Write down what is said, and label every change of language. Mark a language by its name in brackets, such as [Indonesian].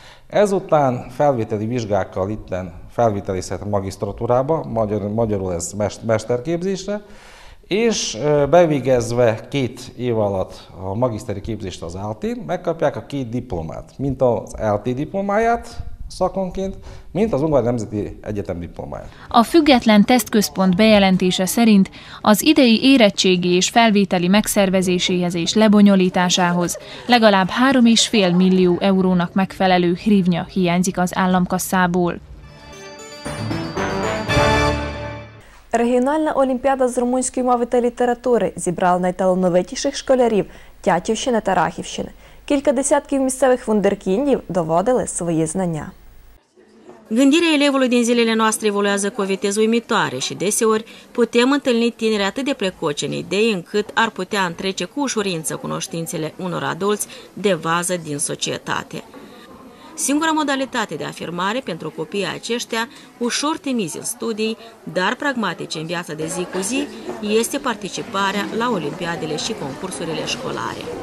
[Hungarian] Ezután felvételi vizsgákkal itten felvételizhet a magisztratúrába, magyarul ez mesterképzésre, és bevégezve 2 év alatt a magiszteri képzést az ELTE-n, megkapják a 2 diplomát, mint az ELTE diplomáját, szakonként, mint az Ungvári Nemzeti Egyetem diplomáját. A független tesztközpont bejelentése szerint az idei érettségi és felvételi megszervezéséhez és lebonyolításához legalább 3,5 millió eurónak megfelelő hrivnya hiányzik az államkasszából. [Ukrainian] Регіональна олімпіада з румунської мови та літератури зібрала найталановитіших школярів Тячівщини та Рахівщини. Кілька десятків місцевих вундеркіндів доводили свої знання. [Romanian] Gândirea elevului din zilele noastre evoluează cu o viteză uimitoare și deseori putem întâlni tineri atât de precoce în idei încât ar putea întrece cu ușurință cunoștințele unor adulți de vază din societate. Singura modalitate de afirmare pentru copiii aceștia, ușor timizi în studii, dar pragmatice în viața de zi cu zi, este participarea la olimpiadele și concursurile școlare.